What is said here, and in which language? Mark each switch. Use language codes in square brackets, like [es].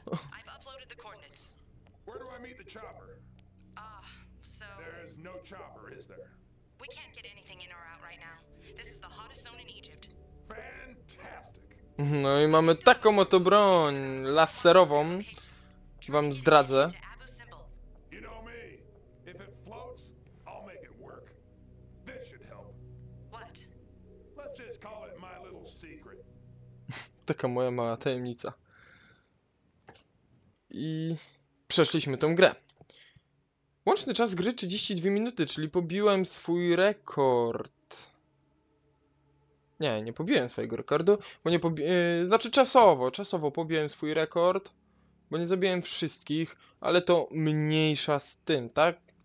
[en] I've uploaded the coordinates. Where do I meet the chopper? So there's no chopper, is there? We can't get anything in or out right now. This is the hottest zone in Egypt. Fantastic. [pl] No i mamy taką oto broń laserową. Wam zdradzę. [en] You know me. If it floats, I'll make it work. This should help. What? Let's just call it my little secret. [pl] Taka moja mała tajemnica. I przeszliśmy tą grę. Łączny czas gry 32 minuty, czyli pobiłem swój rekord. Nie, nie pobiłem swojego rekordu, bo nie znaczy czasowo pobiłem swój rekord, bo nie zabiłem wszystkich, ale to mniejsza z tym, tak?